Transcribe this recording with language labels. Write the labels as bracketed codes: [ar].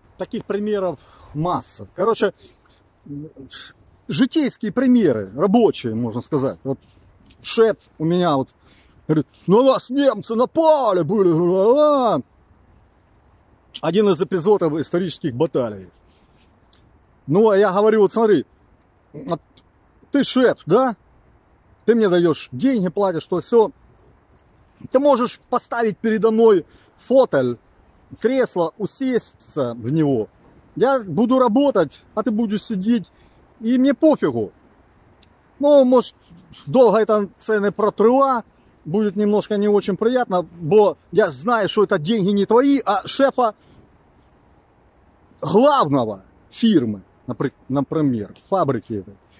[uk] Таких прикладів маса. Коротше, житейські приміри, робочі, можна сказати. От шеф у мене от говорить, ну нас німці напали були. Один із епізодів історичних баталій. Ну а я говорю, от смотри, от, ти шеф, да? Ти мені даєш гроші, платиш, то все. Ти можеш поставити передо мною фотель, кресло, усісться в нього. [ru] Я буду работать, а ты будешь сидеть, и мне пофигу. Ну, может, долго это цены протрыва, будет немножко не очень приятно, бо я знаю, что это деньги не твои, а шефа главного фирмы, например, фабрики этой.